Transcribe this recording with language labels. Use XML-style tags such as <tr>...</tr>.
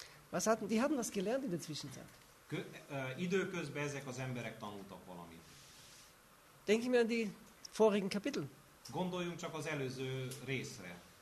<de>Was hatten, die haben was gelernt in der Zwischenzeit.</de> <hu>Időközben ezek az emberek tanultak valamit.</hu> <de>Denk ich mir an die vorigen Kapitel.</de> <hu>Gondoljunk csak az előző részre.</hu>